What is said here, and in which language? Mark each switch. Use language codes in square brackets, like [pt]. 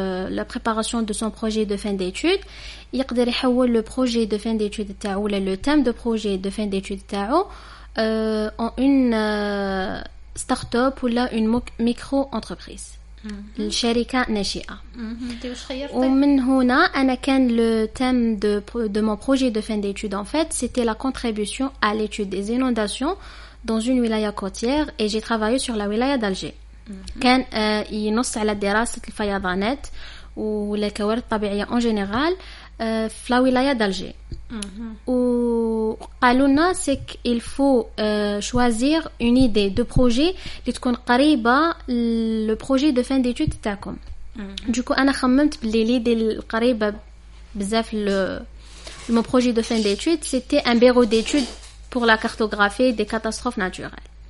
[fr] la préparation de son projet de fin d'études [ar] يقدر يحول [fr] le projet de fin d'études [ar] تاعو ولا [fr] le thème de projet de fin d'études تاعو en une start-up [ar] ولا [fr] une micro-entreprise. [ar] الشركة ناشئة. ومن هنا أنا كان [fr] le thème de mon projet de fin d'études en fait c'était la contribution à l'étude des inondations dans une wilaya côtière et j'ai travaillé sur la wilaya d'Alger. [ar] كان ينص على دراسة الفيضانات والكوارث الطبيعية [fr] en général [ar] في ولاية دالجي وقالوا لنا سيك [fr] il faut choisir une idée de projet [ar] اللي تكون قريبة [fr] le projet de fin d'études [ar] تاعكم. دوكو انا خممت بلي ليدي القريبة بزاف [fr] mon projet de fin d'études c'était un bureau d'études pour la cartographie des catastrophes naturelles.